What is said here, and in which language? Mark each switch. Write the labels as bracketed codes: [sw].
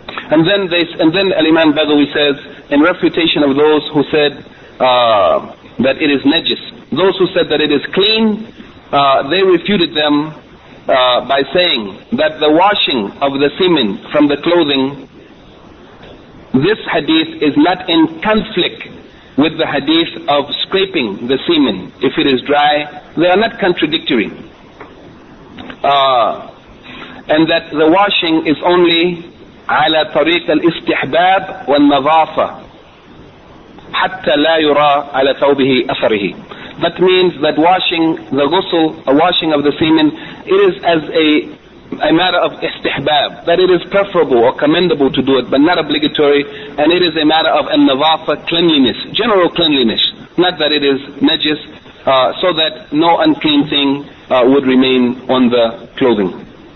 [en] And then Al-Imam Baghawi says, in refutation of those who said that it is najis, those who said that it is clean, they refuted them by saying that the washing of the semen from the clothing, this hadith is not in conflict with the hadith of scraping the semen if it is dry. They are not contradictory. And that the washing is only [ar] على طريق الاستحباب والنظافة حتى لا يرى على ثوبه أثره. [en] That means that washing the ghusl, a washing of the semen, it is as a matter of istihbab, that it is preferable or commendable to do it, but not obligatory, and it is a matter of النظافة, cleanliness, general cleanliness, not that it is najis, so that no unclean thing would remain on the clothing.